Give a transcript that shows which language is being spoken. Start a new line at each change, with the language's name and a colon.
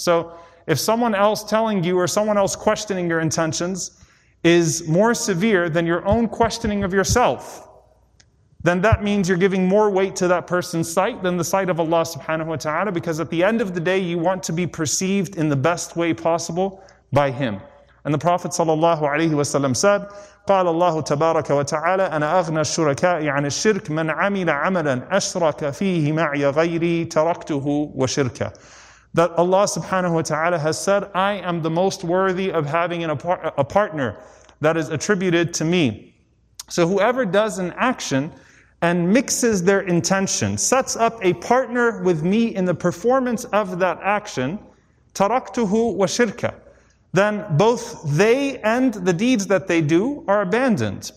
English: So if someone else telling you or someone else questioning your intentions is more severe than your own questioning of yourself, then that means you're giving more weight to that person's sight than the sight of Allah subhanahu wa ta'ala, because at the end of the day, you want to be perceived in the best way possible by Him. And the Prophet sallallahu alaihi wasallam said,
Arabic: قال الله تبارك وتعالى أنا أغنى الشركاء عن الشرك من عمل عملا أشرك فيه معي غيري تركته وشركة.
English: That Allah subhanahu wa ta'ala has said, I am the most worthy of having a partner that is attributed to me. So whoever does an action and mixes their intention, sets up a partner with me in the performance of that action,
Arabic: taraktuhu wa shirka,
English: then both they and the deeds that they do are abandoned.